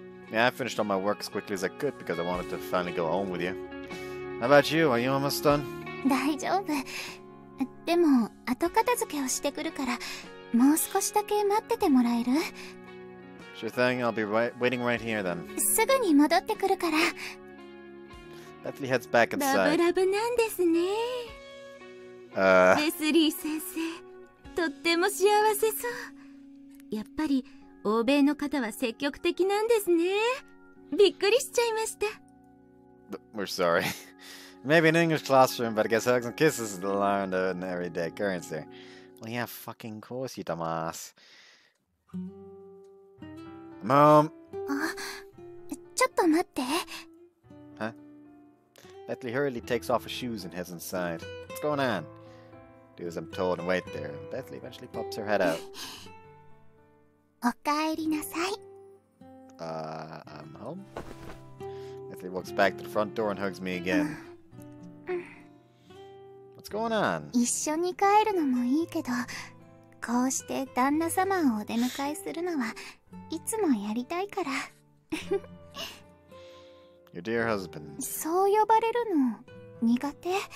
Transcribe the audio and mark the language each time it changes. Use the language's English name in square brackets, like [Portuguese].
[English] Yeah, I finished all my work as quickly as I could because I wanted to finally go home with you. How about you? Are you almost done? [Japanese] 大丈夫. でも、 後片付けをしてくるから、 もう少しだけ待っててもらえる? [English] Sure thing, I'll be waiting right here then. [Japanese] すぐに戻ってくるから。 [English] Bethly heads back inside. [Japanese] ラブラブなんですね。ベスリー先生、 とっても幸せそう。やっぱり、 欧米の方は積極的なんですね。びっくりしちゃいました。 [English] We're sorry. Maybe an English classroom, but I guess hugs and kisses are learned an everyday occurrence there. Well, yeah, fucking course, you dumbass. Mom! [Japanese] ちょっと待って。 [English] Huh? Bethly hurriedly takes off her shoes and heads inside. What's going on? Do as I'm told and wait there. Bethly eventually pops her head out. [Japanese] おかえりなさい. [English] I'm home. Bethly walks back to the front door and hugs me again. What's going on? [Japanese] 一緒に帰るのもいいけど、こうして旦那様をお出迎えするのはいつもやりたいから。 [English] Your dear husband. [Japanese] そう呼ばれるの苦手?